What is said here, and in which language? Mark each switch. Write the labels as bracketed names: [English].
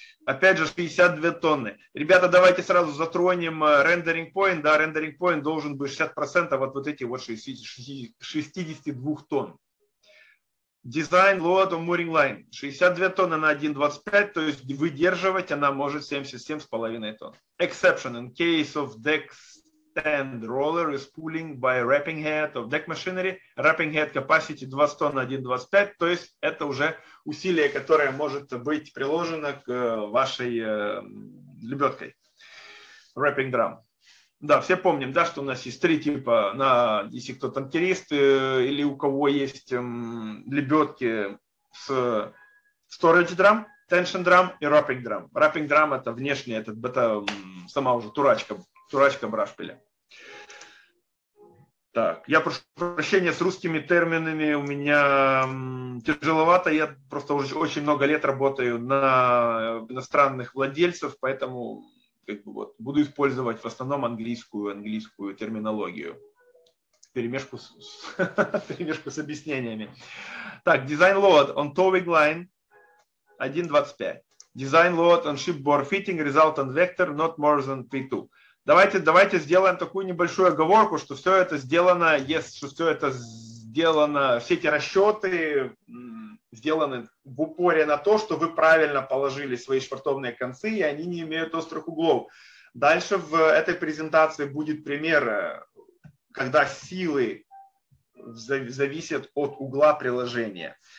[Russian] Опять же, 62 тонны. Ребята, давайте сразу затронем rendering point. Да, rendering point должен быть 60% от вот этих вот 62 тонн. [English] Design load on mooring line. [Russian] 62 тонны на 1,25, то есть выдерживать она может 77,5 тонн. [English] Exception in case of decks. And roller is pulling by wrapping head of deck machinery. Wrapping head capacity 200 на 1,25. [Russian] То есть это уже усилие, которое может быть приложено к вашей лебедкой. Wrapping drum. Да, все помним, да, что у нас есть три типа, на, если кто танкерист или у кого есть лебедки с storage drum, tension drum и wrapping drum. Wrapping drum это внешний, это сама уже турачка брашпиля. Так, я прошу прощения, с русскими терминами у меня тяжеловато. Я просто уже очень много лет работаю на иностранных владельцев, поэтому как бы вот, буду использовать в основном английскую терминологию. Перемешку с объяснениями. [English] Так, design load on towing line 1.25. Design load on shipboard fitting resultant vector not more than P2. [Russian] Давайте сделаем такую небольшую оговорку, что все это сделано, все эти расчеты сделаны в упоре на то, что вы правильно положили свои швартовные концы, и они не имеют острых углов. Дальше в этой презентации будет пример, когда силы зависят от угла приложения.